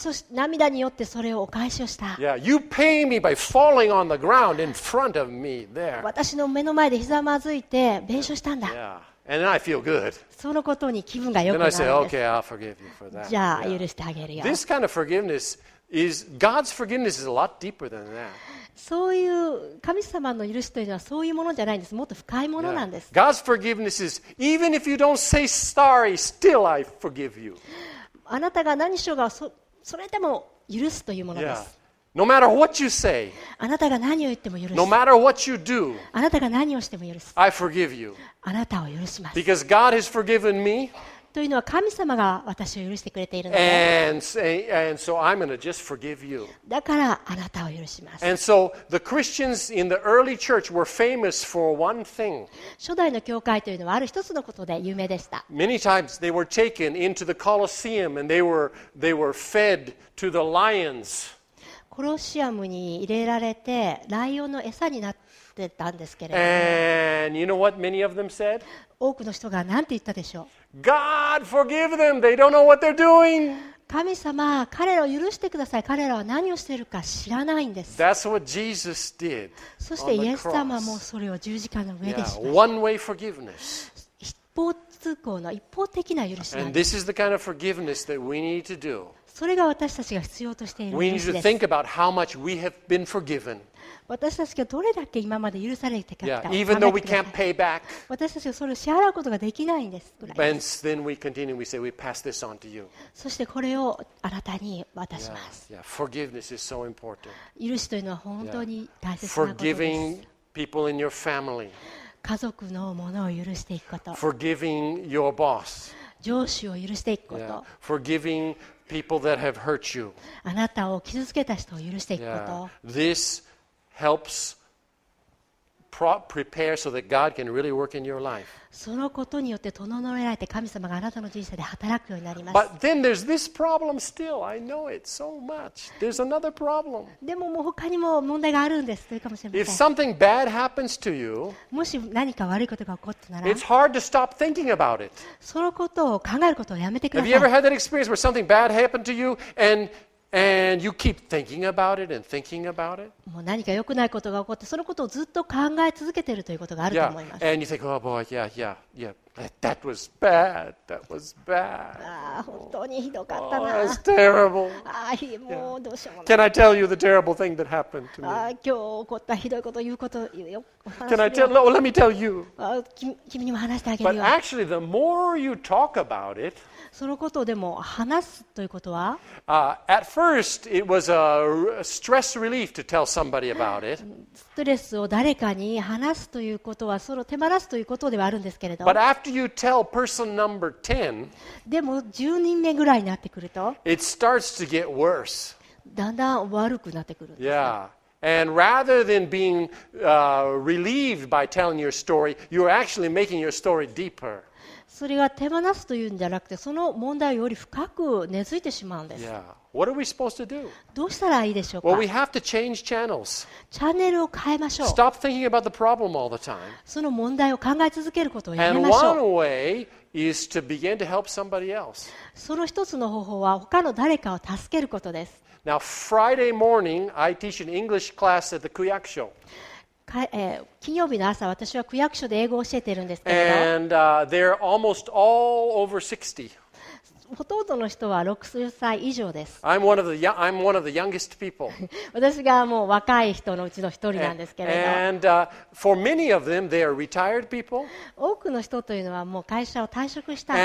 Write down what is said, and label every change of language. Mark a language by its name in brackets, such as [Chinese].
[Japanese] そして涙によってそれをお返しをした。 [English] Yeah, you pay me by falling on the ground in front of me there. [Japanese] 私の目の前でひざまずいて弁償したんだ。 [English] Yeah, and then I feel good. [Japanese] そのことに気分が良くなるんです。 [English] Then I say, okay, I'll forgive you for that. [Japanese] じゃあ許してあげるよ。 [English] This kind of forgiveness is God's forgiveness is a lot deeper than that. [Japanese] そういう神様の許しというのはそういうものじゃないんです。もっと深いものなんです。 [English] Yeah. God's forgiveness is even if you don't say sorry, still I forgive you. [Japanese] あなたが何しようが それでも許すというものです。 [English] Yeah. No matter what you say, [Japanese] あなたが何を言っても許す。 [English] No matter what you do, [Japanese] あなたが何をしても許す。 [English] I forgive you. [Japanese] あなたを許します。 [English] Because God has forgiven me. [Japanese] というのは神様が私を許してくれているのです。だからあなたを許します。 [English] And so, the Christians in the early church were famous for one thing. [Japanese] 初代の教会というのはある一つのことで有名でした。 [English] Many times they were taken into the Colosseum and they were fed to the lions. [Japanese] コロシアムに入れられてライオンの餌になってたんですけれども [English] 、 And you know what many of them said? [Japanese] 多くの人が何て言ったでしょう。 [English] God forgive them. They don't know what they're doing. [Japanese] 神様、彼らを許してください。彼らは何をしているか知らないんです。 [English] That's what Jesus did. [Japanese] そしてイエス様もそれを十字架の上でしました。 [English] Yeah, one-way forgiveness. [Japanese] 一方通行の一方的な許しなんです。 [English] And this is the kind of forgiveness that we need to do. [Japanese] それが私たちが必要としている許しです。 [English] We need to think about how much we have been forgiven. [Japanese] 私たちがどれだけ今まで許されてきたか、 [English] yeah, even though we can't pay back, [Japanese] 私たちがそれを支払うことができないんですぐらいですそしてこれをあなたに渡します。 [English] yeah, yeah. Forgiveness is so important. [Japanese] 許しというのは本当に大切なことです。 [English] Forgiving people in your family. [Japanese] 家族のものを許していくこと。 [English] Forgiving your boss. [Japanese] 上司を許していくこと。 [English] yeah. Forgiving people that have hurt you. [Japanese] あなたを傷つけた人を許していくこと。 [English] yeah. ThisHelps prepare so that God can really work in your life. [Japanese] そのことによって整えられて神様があなたの人生で働くようになります。 [English] But then there's this problem still. I know it so much. There's another problem. [Japanese] でももう他にも問題があるんですというかもしれません。 [English] If something bad happens to you, [Japanese] もし何か悪いことが起こったなら、 [English] it's hard to stop thinking about it. [Japanese] そのことを考えることをやめてください。 [English] Have you ever had that experience where something bad happened to you and you keep thinking about it and thinking about it? [Japanese] もう何か良くないことが起こってそのことをずっと考え続けているということがあると思います。 [English] Yeah. And you think, oh boy, yeah, yeah, yeah. That was bad. That was bad. [Japanese] ああ、本当にひどかったな。 [English] Oh, that's terrible. [Japanese] ああ、もうどうしようもない。 [English] Yeah. Can I tell you the terrible thing that happened to me? [Japanese] ああ、今日起こったひどいこと言うことよ。お話しよう。 [English] Can I tell? Let me tell you. [Japanese] ああ、君にも話してあげるよ。 [English] But actually, the more you talk about it. [Japanese] そのことをでも話すということは、 [English] at first it was a stress relief to tell somebody about it. [Japanese] ストレスを誰かに話すということはその手放すということではあるんですけれど、 [English] but after you tell person number 10, [Japanese] でも10人目ぐらいになってくると、 [English] it starts to get worse. [Japanese] だんだん悪くなってくるんです。 [English] Yeah. And rather than being relieved by telling your story, you're actually making your story deeper. [Japanese] それが手放すというんじゃなくて、その問題をより深く根付いてしまうんです。 [English] Yeah. What are we supposed to do? [Japanese] どうしたらいいでしょうか。 [English] Well, we have to change channels. [Japanese] チャンネルを変えましょう。 [English] Stop thinking about the problem all the time. [Japanese] その問題を考え続けることをやめましょう。 [English] And one way is to begin to help somebody else. [Japanese] その一つの方法は他の誰かを助けることです。 [English] Now, Friday morning, I teach an English class at the Kuyakusho. [Japanese] 金曜日の朝、私は区役所で英語を教えているんですけど、 [English] And, they're almost all over 60. [Japanese] ほとんどの人は60歳以上です。 [English] I'm one of the I'm one of the youngest people. [Japanese] 私がもう若い人のうちの一人なんですけれど、 [English] And, for many of them, they are retired people. [Japanese] 多くの人というのはもう会社を退職した